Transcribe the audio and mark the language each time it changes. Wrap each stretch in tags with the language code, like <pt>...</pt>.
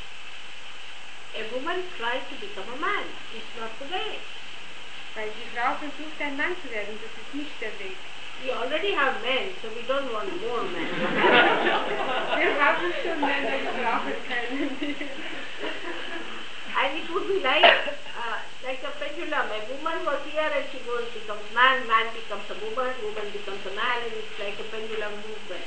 <en>Because a woman tries to become a man, it's not the way.</en> <de>Weil die Frau versucht ein Mann zu werden, das ist nicht der Weg.</de> <en>We already have men, so we don't want more men.</en> <de>Wir haben schon Männer, wir brauchen keine.</de> <en>And it would be like a pendulum. A woman was here and she goes and becomes man, man becomes a woman becomes a man, and it's like a pendulum movement.</en>